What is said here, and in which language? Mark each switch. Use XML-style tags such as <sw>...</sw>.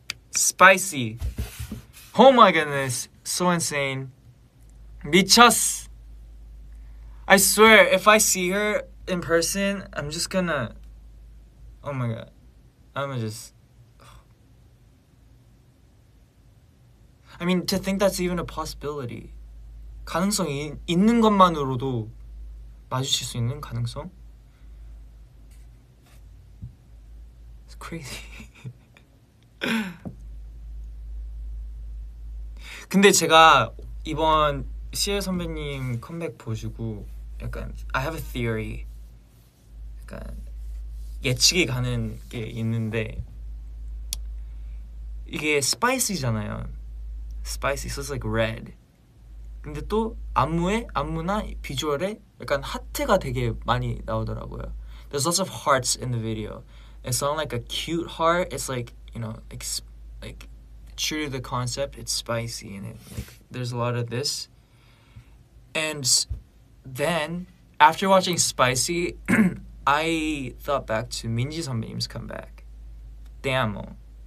<en>Spicy. Oh my goodness. So insane. Bichas. I swear, if I see her in person, I'm just gonna, oh my god, I'm gonna just, I mean, to think that's even a possibility.</en> <ko>가능성이 있는 것만으로도 마주칠 수 있는 가능성?</ko> <en>It's crazy.</en> <ko>근데 제가 이번 CL 선배님 컴백 보시고 약간</ko> <en>I have a theory.</en> <ko>예측이 가는 게 있는데 이게 spicy잖아요.</ko> <en>Spicy, so it's like red.</en> <ko>근데 또 안무나 비주얼에 약간 하트가 되게 많이 나오더라고요.</ko> <en>There's lots of hearts in the video. It's not like a cute heart. It's like, you know, like true to the concept. It's spicy and it, like, there's a lot of this. And then after watching Spicy, I thought back to Minji 선배님's comeback, Te Amo.</en>